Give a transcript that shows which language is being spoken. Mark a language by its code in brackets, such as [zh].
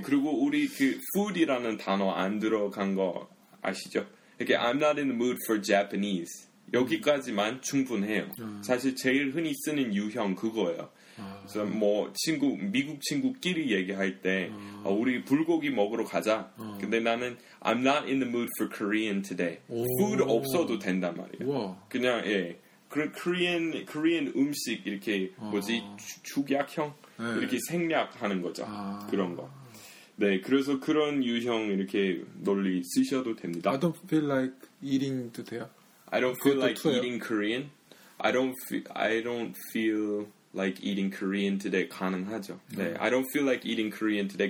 [ko] 그리고 우리 그 food이라는 단어 안 들어간 거 아시죠? 이렇게 [en] I'm not in the mood for Japanese. [ko] 여기까지만 충분해요. 사실 제일 흔히 쓰는 유형 그거예요. 그래서 뭐 친구 미국 친구끼리 얘기할 때 우리 불고기 먹으러 가자. 근데 나는 [en] I'm not in the mood for Korean today. [ko] Food 없어도 된단 말이야. 우와. 그냥 예. 그 Korean 음식 이렇게 뭐지 축약형 네. 이렇게 생략하는 거죠. 그런 거. 네, 그래서 그런 유형 이렇게 널리 쓰셔도 됩니다. [en] I don't feel like eating today. I don't feel like 투어요? eating Korean. I don't feel like eating Korean today [ko] 가능하죠. [en] 네, I don't feel like eating Korean today.